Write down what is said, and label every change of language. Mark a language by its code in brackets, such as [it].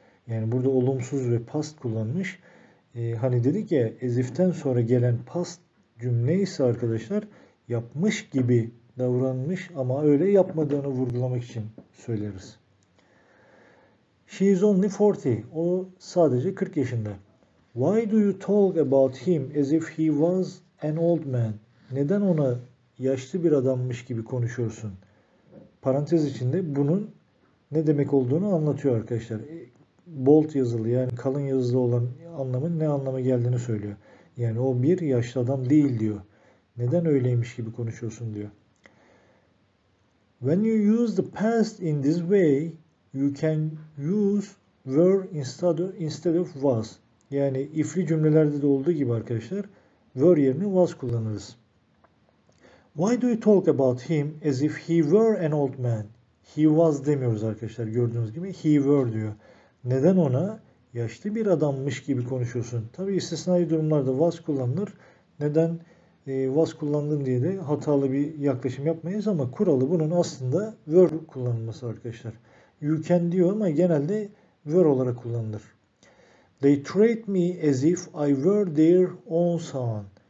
[tr] Yani burada olumsuz ve past kullanmış. Hani dedik ya as if'ten sonra gelen past cümle ise arkadaşlar yapmış gibi davranmış ama öyle yapmadığını vurgulamak için söyleriz. [en] She is only 40. [tr] O sadece 40 yaşında. [en] Why do you talk about him as if he was an old man? [tr] Neden ona yaşlı bir adammış gibi konuşuyorsun? Parantez içinde bunun ne demek olduğunu anlatıyor arkadaşlar. Bold yazılı yani kalın yazılı olan anlamın ne anlama geldiğini söylüyor. Yani o bir yaşlı adam değil diyor. Neden öyleymiş gibi konuşuyorsun diyor. [en] When you use the past in this way, you can use were instead of was. [tr] Yani ifli cümlelerde de olduğu gibi arkadaşlar were yerine was kullanırız. [en] Why do you talk about him as if he were an old man? He was [tr] demiyoruz arkadaşlar gördüğünüz gibi. [en] He were [tr] diyor. Neden ona yaşlı bir adammış gibi konuşuyorsun? Tabi istisnai durumlarda was kullanılır. Neden was kullandın diye de hatalı bir yaklaşım yapmayız ama kuralı bunun aslında were kullanılması arkadaşlar. [en] You can [tr] diyor ama genelde were olarak kullanılır. [en] They treat me as if I were their own son.